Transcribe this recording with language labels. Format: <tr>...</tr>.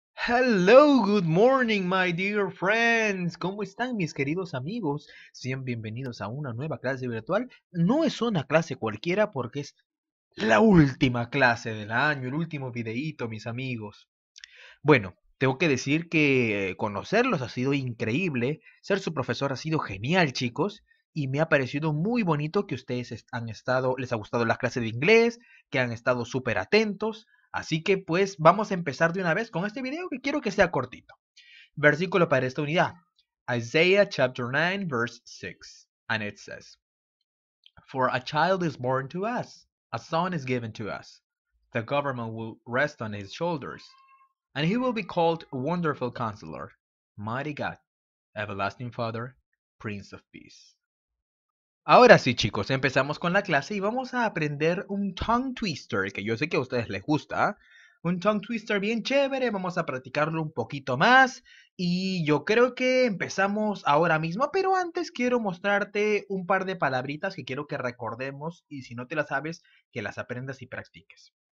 <en>Hello, good morning, my dear friends.</en> <es>¿Cómo están mis queridos amigos? Sean bienvenidos a una nueva clase virtual. No es una clase cualquiera porque es la última clase del año, el último videíto, mis amigos. Bueno, tengo que decir que conocerlos ha sido increíble, ser su profesor ha sido genial, chicos, y me ha parecido muy bonito que ustedes han estado, les ha gustado la clase de inglés, que han estado súper atentos. Así que pues vamos a empezar de una vez con este video que quiero que sea cortito. Versículo para esta unidad.</es> <en>Isaiah chapter 9 verse 6. And it says, "For a child is born to us, a son is given to us. The government will rest on his shoulders, and he will be called Wonderful Counselor, Mighty God, Everlasting Father, Prince of Peace."</en> <es>Ahora sí, chicos, empezamos con la clase y vamos a aprender un tongue twister, que yo sé que a ustedes les gusta. Un tongue twister bien chévere, vamos a practicarlo un poquito más y yo creo que empezamos ahora mismo, pero antes quiero mostrarte un par de palabritas que quiero que recordemos y si no te las sabes, que las aprendas y practiques.</es>